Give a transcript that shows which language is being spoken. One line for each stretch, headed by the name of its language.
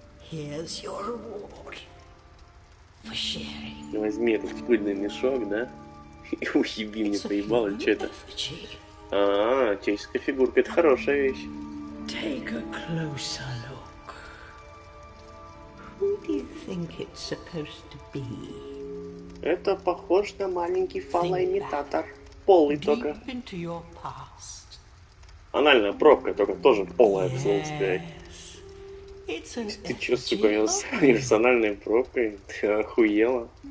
English: Here's your reward for sharing.
Russian: Возьми этот пыльный мешок, да? И уеби мне, поебал, или что это? А-а-а, человеческая фигурка, это хорошая вещь.
English: Take a closer look. Who do you think it's supposed to be?
Russian: Это похож на маленький фало-имитатор. Полый только.
English: Deep into your past.
Russian: Анальная пробка, только тоже полая, к слову сказать. Ты чё, сука, я с универсальной пробкой? Ты охуела?